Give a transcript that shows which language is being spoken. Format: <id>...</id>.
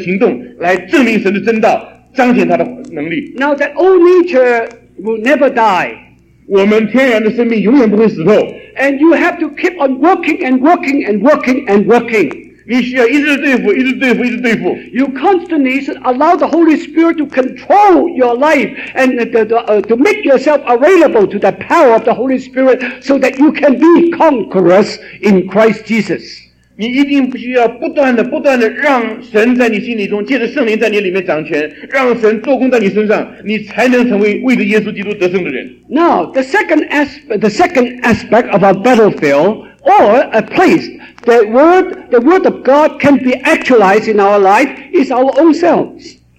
<zh>弟兄姊妹们,今天我向你们恳求,若是你听见神的话语,神说话在你心里面,你一定要起来有行动,来证明神的真道,彰显他的能力。</zh> <en>Now that old nature will never die.</en> <zh>我们天然的生命永远不会死透。</zh> <en>And you have to keep on working and working and working and working.</en> <zh>你需要一直对付,</zh> <en>you constantly allow the Holy Spirit to control your life and to make yourself available to the power of the Holy Spirit so that you can be conquerors in Christ Jesus.</en> <zh>你一定需要不断的让神在你心里中借着圣灵在你里面掌权让神做工在你身上你才能成为为着耶稣基督得胜的人。</zh> <en>Now, the second aspect of our battlefield or a place The word of God can be actualized in our life is our own selves.</en>